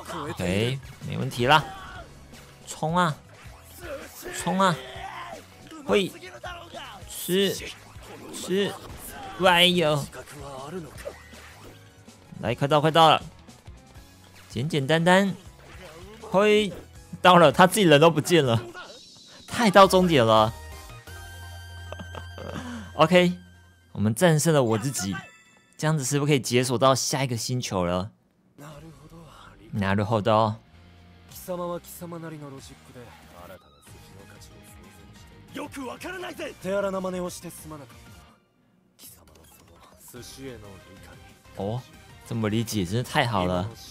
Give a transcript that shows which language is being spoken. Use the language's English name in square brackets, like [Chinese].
[Chinese] OK， 没问题啦，冲啊，冲啊，会吃吃，哎呦，来，快到快到了，简简单单，会到了，他自己人都不见了，太到终点了。 OK， 我们战胜了我自己，这样子是不是可以解锁到下一个星球了？ [Japanese] なるほど。貴様は貴様なりのロジックで新たな寿司の価値を創造して、よくわからないぜ。手荒な真似をしてすまなかった。貴様のその寿司への理解。 [Chinese] 哦，这么理解真是太好了。